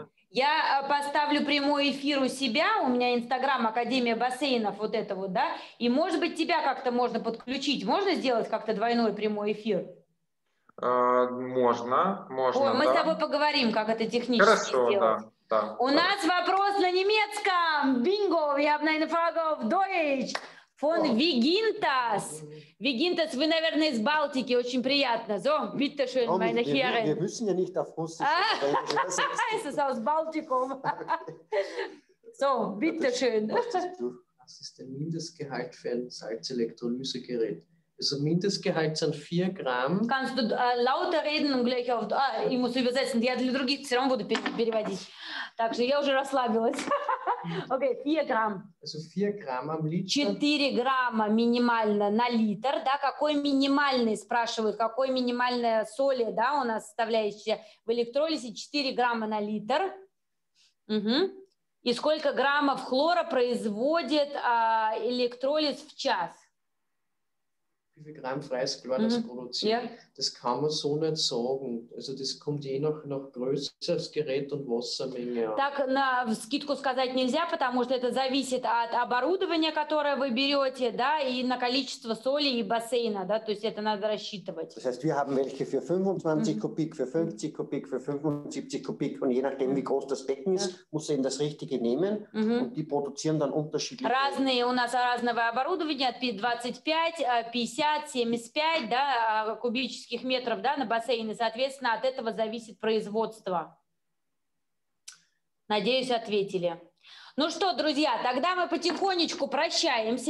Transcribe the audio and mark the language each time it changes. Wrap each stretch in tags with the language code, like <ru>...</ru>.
<ru>Я поставлю прямой эфир у себя, у меня Инстаграм Академия Бассейнов, вот это вот, да, и, может быть, тебя как-то можно подключить, можно сделать как-то двойной прямой эфир? Можно, можно. Ой, мы с тобой поговорим, как это технически сделать. Хорошо, да. Да, у нас вопрос на немецком.</ru> <de>Bingo, wir haben eine Frage auf Deutsch. Von Vigintas.</de> <ru>Vigintas, вы, наверное, из Балтики. Очень приятно.</ru> <de>So, bitte schön, meine Herren. Wir müssen ja nicht auf Russisch. Es ist aus Baltikum. So, bitte schön. Was ist der Mindestgehalt für ein Salzelektrolysegerät? Also Mindestgehalt sind 4 Gramm. Kannst du lauter reden und gleich auf... ich muss übersetzen.</de> <ru>Я для других все равно буду переводить. Так что я уже расслабилась.</ru> <de>Okay, 4 Gramm. Also 4 Gramm am Liter.</de> <ru>4 Gramma минимально на литр. Да? Какой минимальный, спрашивают, какой минимальная соли, да, у нас составляющая в электролизе? 4 грамма на литр. Угу. И сколько граммов хлора производит электролиз в час?</ru> <de>Wie viel Gramm Freisklor das produziert, das kann man so nicht sagen. Also das kommt je nach Größe des Geräts und Wassermenge an.</de> <ru>Так на скидку сказать нельзя, потому что это зависит от оборудования, которое вы берете, да, и на количество соли и бассейна, да, то есть это надо рассчитывать.</ru> <de>Das heißt, wir haben welche für 25 Кубик, für 50 Кубик, für 75 Кубик und je nachdem, wie groß das Becken ist, muss er das richtige nehmen und die produzieren dann unterschiedliche.</de> <ru>Разные у нас разного оборудования, от 25, 75, да, кубических метров, да, на бассейне, соответственно, от этого зависит производство. Надеюсь, ответили. Ну что, друзья, тогда мы потихонечку прощаемся.</ru>